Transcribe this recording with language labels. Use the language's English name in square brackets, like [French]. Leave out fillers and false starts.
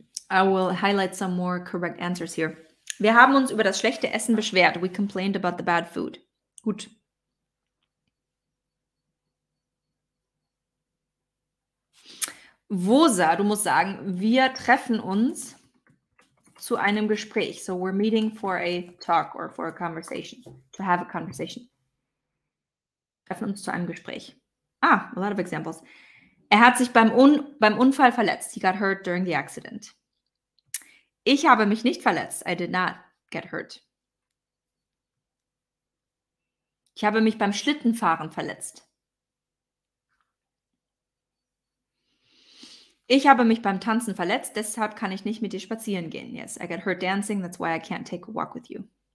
[English] I will highlight some more correct answers here. [German] Wir haben uns über das schlechte Essen beschwert. [English] We complained about the bad food. [German] Gut. Vosa, du musst sagen, wir treffen uns zu einem Gespräch. [English] So we're meeting for a talk or for a conversation. To have a conversation. [German] Treffen uns zu einem Gespräch. Ah, [English] a lot of examples. [German] Er hat sich beim Unfall verletzt. [English] He got hurt during the accident. [German] Ich habe mich nicht verletzt. [English] I did not get hurt. [German] Ich habe mich beim Schlittenfahren verletzt. Ich habe mich beim Tanzen verletzt, deshalb kann ich nicht mit dir spazieren gehen. [English] Yes, I got hurt dancing, that's why I can't take a walk with you.